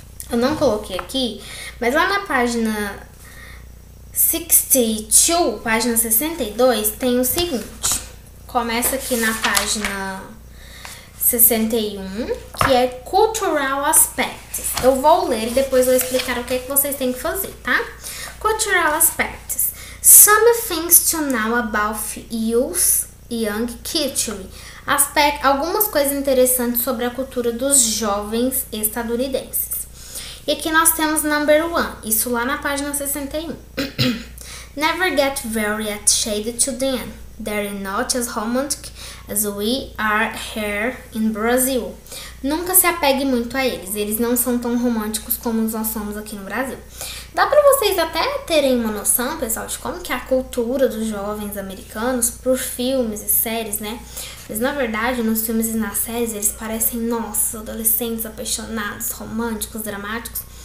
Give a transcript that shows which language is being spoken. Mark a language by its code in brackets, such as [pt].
[pt] Eu não coloquei aqui, mas lá na página 62, página 62, tem o seguinte. Começa aqui na página 61, que é [en] cultural aspects. [pt] Eu vou ler e depois vou explicar o que é que vocês têm que fazer, tá? [en] Cultural aspects. Some things to know about youth young culture. [pt] Algumas coisas interessantes sobre a cultura dos jovens estadunidenses. E aqui nós temos [en] number one, [pt] isso lá na página 61. [en] Never get very attached to them. They're not as romantic as we are here in Brazil. [pt] Nunca se apegue muito a eles. Eles não são tão românticos como nós somos aqui no Brasil. Dá pra vocês até terem uma noção, pessoal, de como que é a cultura dos jovens americanos por filmes e séries, né? Mas, na verdade, nos filmes e nas séries, eles parecem, nossa, adolescentes apaixonados, românticos, dramáticos.